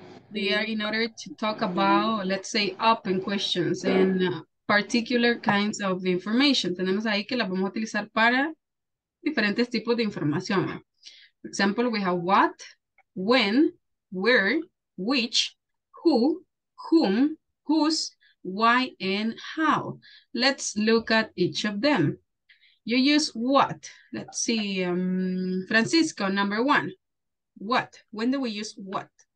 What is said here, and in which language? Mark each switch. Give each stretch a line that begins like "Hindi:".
English: They are in order to talk about, let's say, open questions and particular kinds of information.
Spanish: Tenemos ahí que la vamos a utilizar para diferentes tipos de información.
English: For example, we have what, when, where, which, who, whom, whose, why, and how. Let's look at each of them. You use what? Let's see, Francisco, number one. What? When do we use what?